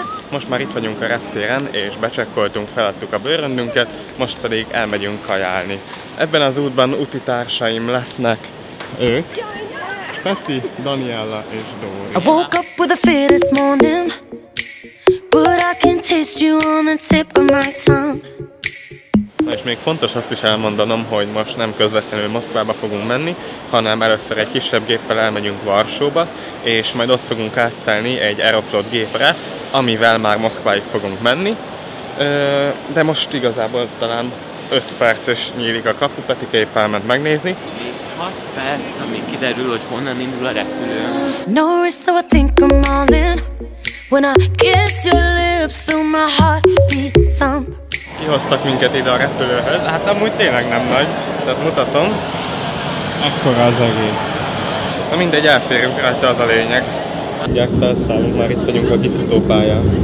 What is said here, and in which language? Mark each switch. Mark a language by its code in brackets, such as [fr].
[hu] Most már itt vagyunk a reptéren, és becsekkoltunk, feladtuk a bőröndünket, most pedig elmegyünk kajálni. Ebben az útban úti társaim lesznek ők. [en] Peti, Daniella és Dóri. I woke up with a fear this morning, but I can taste you on the tip of my tongue. [hu] Na és még fontos azt is elmondanom, hogy most nem közvetlenül Moszkvába fogunk menni, hanem először egy kisebb géppel elmegyünk Varsóba, és majd ott fogunk átszállni egy Aeroflot gépre, amivel már Moszkváig fogunk menni. De most igazából talán 5 perc és nyílik a kapu, Peti épp elment megnézni. 6 perc, amíg kiderül, hogy honnan indul a repülő. [en] No worries, so I think I'm all in. When I kiss your lips through my heartbeat thump. [hu] Kihoztak minket ide a repülőhöz, hát amúgy tényleg nem nagy, tehát mutatom. Ekkora az egész. Na mindegy, elférünk rajta, az a lényeg. Mindjárt felszállunk, már itt vagyunk a kifutópályán.